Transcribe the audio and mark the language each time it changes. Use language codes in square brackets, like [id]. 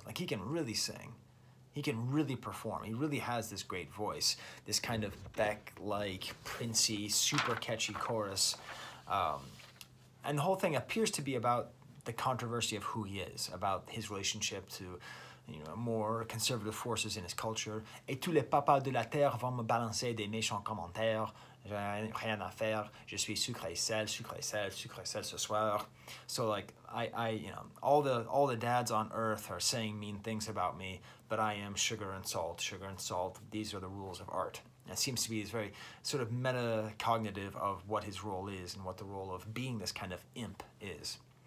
[en] Like, he can really sing. He can really perform. He really has this great voice, this kind of Beck-like, princey, super catchy chorus. And the whole thing appears to be about the controversy of who he is, about his relationship to, you know, more conservative forces in his culture. [fr] Et tous les papas de la terre vont me balancer des méchants commentaires. J'ai rien à faire. Je suis sucre et sel, sucre et sel, sucre et sel ce soir. [en] So, like, I you know, all the dads on earth are saying mean things about me, but I am sugar and salt, sugar and salt. These are the rules of art. And it seems to be this very sort of metacognitive of what his role is and what the role of being this kind of imp is.